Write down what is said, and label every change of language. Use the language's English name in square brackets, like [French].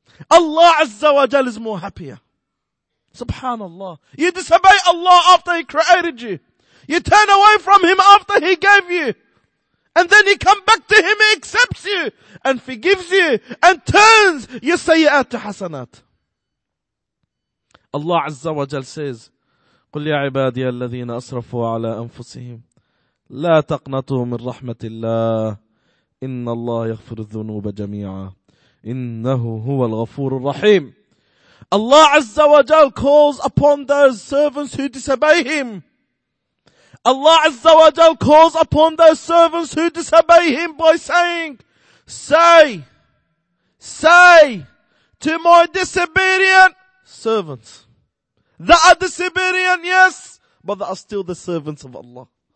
[English] Allah Azza wa Jal is more happier. Subhanallah. You disobey Allah after He created you. You turn away from Him after He gave you. And then you come back to Him, He accepts you and forgives you and turns your sayyat to hasanat. [Arabic] Allah Azza wa Jal says, قُلْ يَا عِبَادِيَ الَّذِينَ أَصْرَفُوا عَلَىٰ أَنفُسِهِمْ لَا تَقْنَطُوا مِنْ رَحْمَةِ اللَّهِ إِنَّ اللَّهَ يَغْفِرُ الذُّنُوبَ جَمِيعًا إِنَّهُ هُوَ الْغَفُورُ الرَّحِيمُ. [English] Allah Azza wa Jal calls upon those servants who disobey Him. Allah Azza wa Jal calls upon those servants who disobey Him by saying, say to my disobedient servants that are disobedient, yes, but that are still the servants of Allah.